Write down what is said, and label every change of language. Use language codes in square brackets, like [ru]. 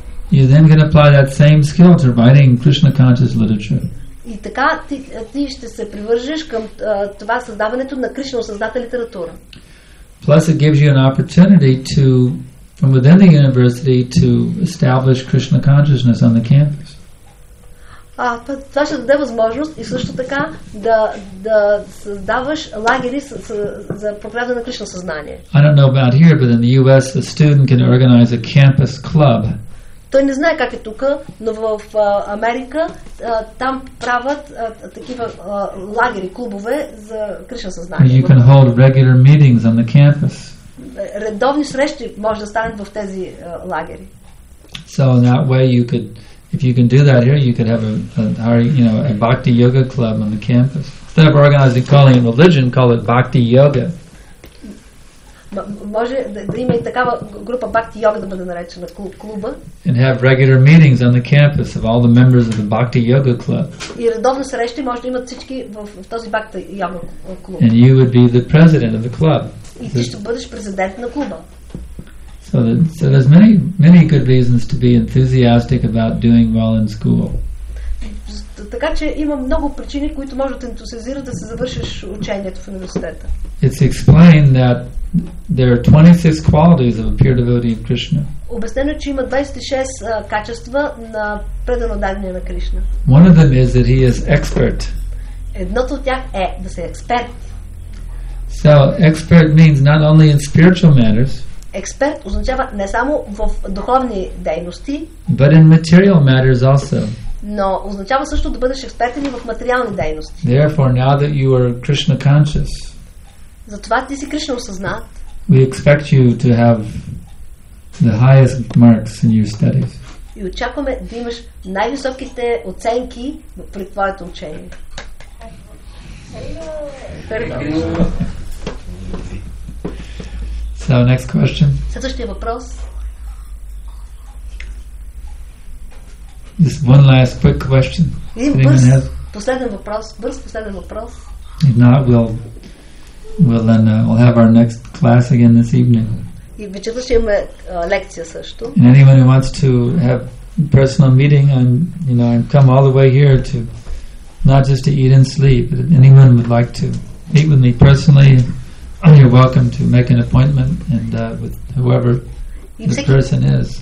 [en] You then can apply that same skill to writing Krishna conscious literature. [bg] И така ти ще се привържеш към това създаването на Кришна осъзната литература. [en] Plus it gives you an opportunity to from within the university to establish Krishna consciousness on the campus. [bg] Това ще даде възможност и също така да създаваш лагери за проповядване на Кришна съзнание. [en] I don't know about here, but in the US a student can organize a campus club. [bg] Той не знае как е тук, но в Америка там правят такива лагери, клубове за Кришна съзнание. [en] You can hold regular meetings on the campus. [bg] Редовни срещи може да станат в тези лагери. [en] So in that way you could If you can do that here, you could have a bhakti yoga club on the campus. Instead of organizing, calling it religion, call it bhakti yoga. [bg] Може да има и такава група бхакти йога да бъде наречена клуба. [en] And have regular meetings on the campus of all the members of the bhakti yoga club. [bg] И редовни срещи може да имат всички в този бхакти йога клуб. [en] And you would be the president of the club. [bg] И ти ще бъдеш президент на клуба. [en] So there's many, many good reasons to be enthusiastic about doing well in school. [bg] Така че има много причини, които може да те ентусиазират да се завършиш учението в университета. [en] It's explained that there are 26 qualities of a pure devotee of Krishna. [bg] Обяснено е, че има 26 качества на предано дадения на Кришна. [en] One of them is that he is expert. [bg] Едното от тях е да се експерт. [en] So, expert means not only in spiritual matters. [bg] Експерт означава не само в духовни дейности, [en] but in material matters also. [bg] Но означава също да бъдеш експертен и в материални дейности. [en] Therefore, now that you are Krishna conscious, [bg] затова ти си Кришна осъзнат, [en] we expect you to have the highest marks in your studies. [bg] И очакваме да имаш най-високите оценки при твоето учение. [en] So, next question. [bg] Следващия въпрос. [en] Just one last quick question. [bg] Последен въпрос. [en] If not, we'll have our next class again this evening. [bg] И вечерта ще имаме лекция също. [en] And anyone who wants to have a personal meeting and come all the way here to not just to eat and sleep, but anyone would like to meet with me personally, you're welcome to make an appointment and with whoever the person is.